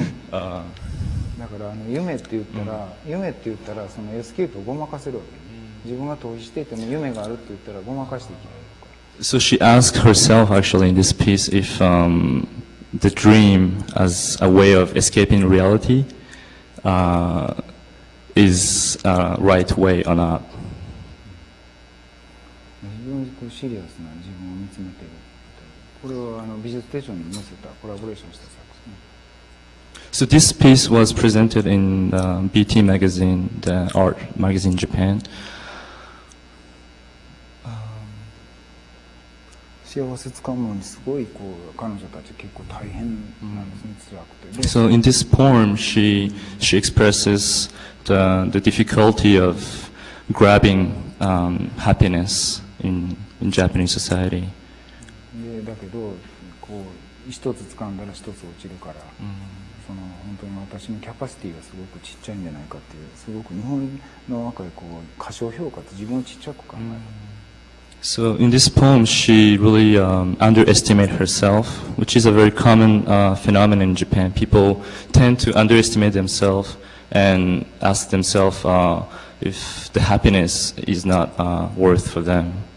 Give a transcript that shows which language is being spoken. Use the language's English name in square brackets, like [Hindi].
[Japanese] だから夢って言ったら、夢って言ったらそのエスケープをごまかせるわけ。自分が逃避していても夢があるって言ったらごまかしていけない。 [English] So she asked herself actually in this piece if the dream as a way of escaping reality is a right way or not. [Japanese] 非常にこうシリアスな自分を見つめている。これは美術手帳に載せたコラボレーションした作品。 [English] So this piece was presented in BT magazine, the art magazine in Japan. [Japanese] 幸せつかむのにすごいこう彼女たち結構大変なんですね、辛くて。 [English] So in this poem, she expresses the difficulty of grabbing happiness in Japanese society. [Japanese] だけど、こう一つ掴んだら一つ落ちるから、その本当に私のキャパシティがすごくちっちゃいんじゃないかっていう、すごく日本の若いこう過小評価って自分をちっちゃく考える。 [English] So in this poem, she really underestimates herself, which is a very common phenomenon in Japan. People tend to underestimate themselves and ask themselves if the happiness is not worth for them.